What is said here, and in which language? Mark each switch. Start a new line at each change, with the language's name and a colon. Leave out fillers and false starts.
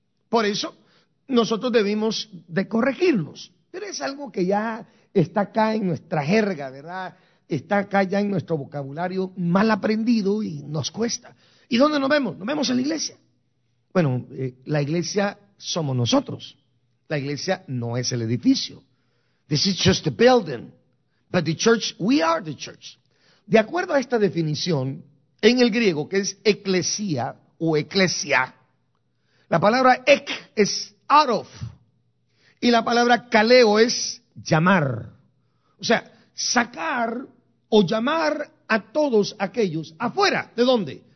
Spanish: Por eso nosotros debimos de corregirnos, pero es algo que ya está acá en nuestra jerga, ¿verdad? Está acá ya en nuestro vocabulario mal aprendido y nos cuesta. ¿Y dónde nos vemos? Nos vemos en la iglesia. Bueno, la iglesia somos nosotros. La iglesia no es el edificio.
English: This is just a building. But the church, we are the church.
Spanish: De acuerdo a esta definición, en el griego, que es eclesía o eclesia, la palabra ek es
English: out of.
Spanish: Y la palabra kaleo es llamar. O sea, sacar o llamar a todos aquellos afuera. ¿De dónde?